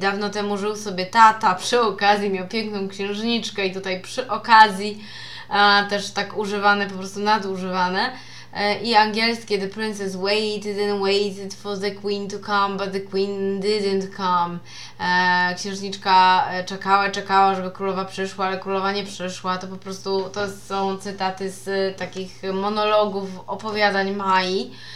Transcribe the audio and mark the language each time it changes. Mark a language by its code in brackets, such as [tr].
[pl] Dawno temu żył sobie tata, przy okazji miał piękną księżniczkę i tutaj przy okazji też tak używane, po prostu nadużywane. I angielskie, [en] the princess waited and waited for the queen to come, but the queen didn't come. [pl] Księżniczka czekała, żeby królowa przyszła, ale królowa nie przyszła. To po prostu, to są cytaty z takich monologów, opowiadań Mai.